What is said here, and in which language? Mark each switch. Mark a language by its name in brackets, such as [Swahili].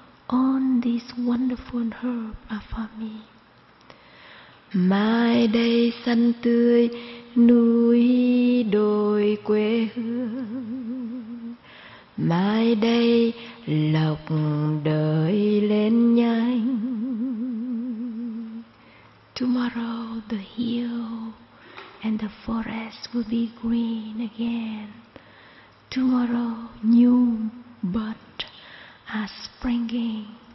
[English] All these wonderful herbs are for me. [Vietnamese] Mai đây xanh tươi núi đồi quê hương. Mai đây lộc đời lên nhanh. [English] Tomorrow the hill and the forest will be green again. Tomorrow new buds are springing.